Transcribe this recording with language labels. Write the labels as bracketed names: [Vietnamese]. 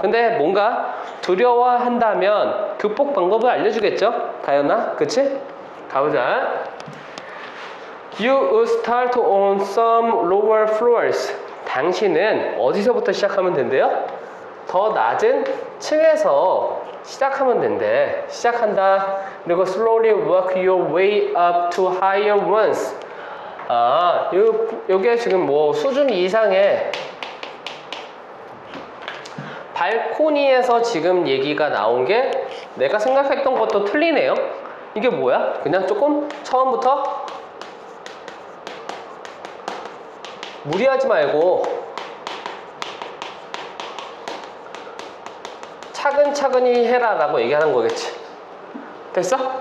[Korean] 근데 뭔가 두려워한다면 극복 방법을 알려주겠죠? 다연아? 그치? 가보자. [English] You start on some lower floors. [Korean] 당신은 어디서부터 시작하면 된대요? 더 낮은 층에서 시작하면 된대. 시작한다. 그리고 [English] slowly work your way up to higher ones. [Korean] 아, 요게 지금 뭐 수준 이상의 발코니에서 지금 얘기가 나온 게 내가 생각했던 것도 틀리네요. 이게 뭐야? 그냥 조금 처음부터 무리하지 말고 차근차근히 해라 라고 얘기하는 거겠지. 됐어?